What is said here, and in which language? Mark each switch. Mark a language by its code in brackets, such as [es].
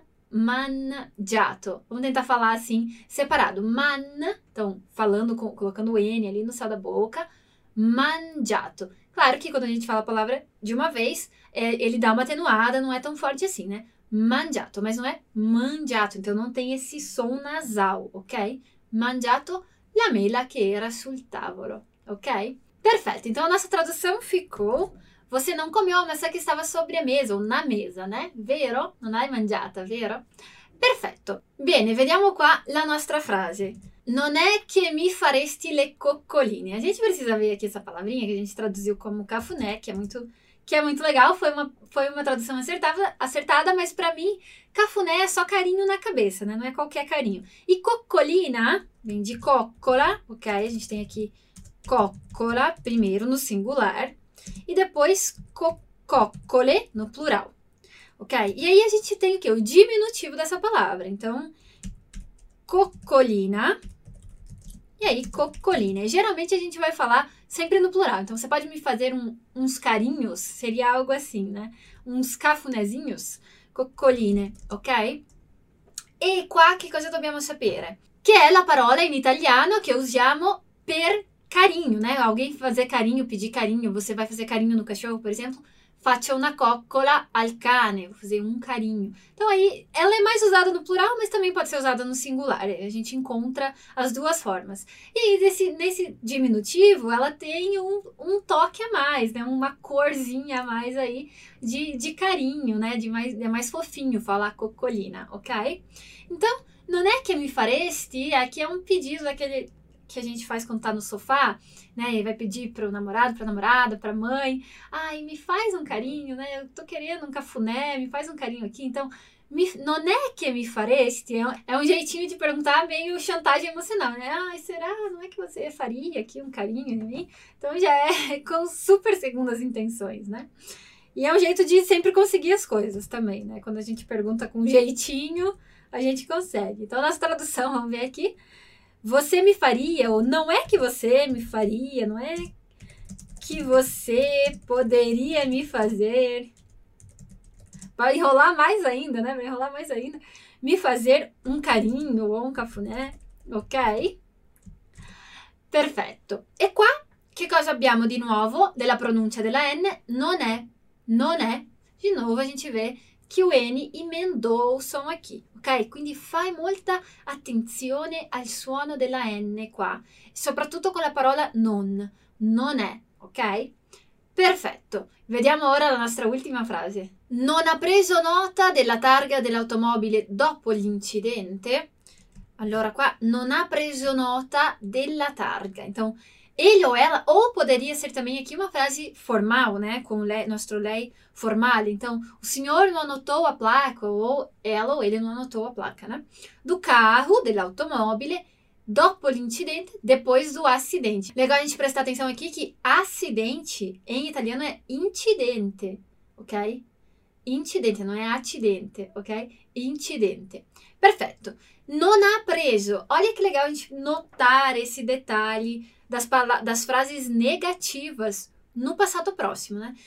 [pt] Mangiato. Vamos tentar falar assim, separado. Então, colocando o N ali no céu da boca. Mangiato. Claro que quando a gente fala a palavra de uma vez, ele dá uma atenuada, não é tão forte assim, né? Mangiato, mas não é mangiato, então não tem esse som nasal, ok? [it] Mangiato la mela che era sul tavolo, ok? [pt] Perfeito, então a nossa tradução ficou: você não comeu a maçã que estava sobre a mesa, ou na mesa, né? [it] Vero? Non hai mangiata, vero? Perfetto. Bene, vediamo qua la nostra frase. Non è che mi faresti le coccoline. [pt] A gente precisa ver aqui essa palavrinha che a gente traduziu como cafuné, que é muito legal, foi uma tradução acertada, mas para mim, cafuné é só carinho na cabeça, né? Não é qualquer carinho. E coccolina vem de coccola, ok? A gente tem aqui coccola primeiro no singular e depois coccole no plural. Ok? E aí a gente tem o quê? O diminutivo dessa palavra. Então, coccolina. E aí, coccolina. Geralmente a gente vai falar sempre no plural. Então, você pode me fazer uns carinhos? Seria algo assim, né? Uns cafunézinhos? Coccoline, ok? [it] E qua che cosa dobbiamo sapere? Che è la parola in italiano che usiamo per carinho, né? [pt] Alguém fazer carinho, pedir carinho. Você vai fazer carinho no cachorro, por exemplo? [it] Faccio una coccola al cane, [pt] vou fazer um carinho. Então aí, ela é mais usada no plural, mas também pode ser usada no singular. A gente encontra as duas formas. E nesse diminutivo, ela tem um toque a mais, né? Uma corzinha a mais aí de carinho, né? É mais fofinho falar coccolina, ok? Então, [it] non è che mi faresti, [pt] aqui é um pedido daquele que a gente faz quando tá no sofá, né? E vai pedir pro namorado, pra namorada, pra mãe: ai, me faz um carinho, né? Eu tô querendo um cafuné, me faz um carinho aqui. Então, [it] non è che mi faresti? [pt] É um jeitinho de perguntar, meio chantagem emocional, né? Ai, será? Não é que você faria aqui um carinho em mim? Então, já é com super segundas intenções, né? E é um jeito de sempre conseguir as coisas também, né? Quando a gente pergunta com jeitinho, a gente consegue. Então, nossa tradução, vamos ver aqui. Você me faria, ou não é que você me faria, não é que você poderia me fazer. Vai enrolar mais ainda, né? Vai enrolar mais ainda. me fazer um carinho ou um cafuné, ok? [it] Perfetto. E qua che cosa abbiamo di nuovo della pronuncia della N? Non è. Di nuovo [pt] a gente vê que o N emendou o som aqui, ok? [it] Quindi fai molta attenzione al suono della N qua, soprattutto con la parola non. Non è, ok? Perfetto. Vediamo ora la nostra ultima frase. Non ha preso nota della targa dell'automobile dopo l'incidente. Allora qua non ha preso nota della targa. [pt] Então, ele ou ela, ou poderia ser também aqui uma frase formal, né? Com o nosso lei formal. Então, o senhor não anotou a placa, ou ela ou ele não anotou a placa, né? Do carro, [it] dell'automobile, dopo l'incidente, [pt] depois do acidente. Legal a gente prestar atenção aqui que acidente em italiano é incidente, ok? Incidente, não é acidente, ok? Incidente. Perfetto. Non ha preso. Olha que legal a gente notar esse detalhe. Das frases negativas no passado próximo, né?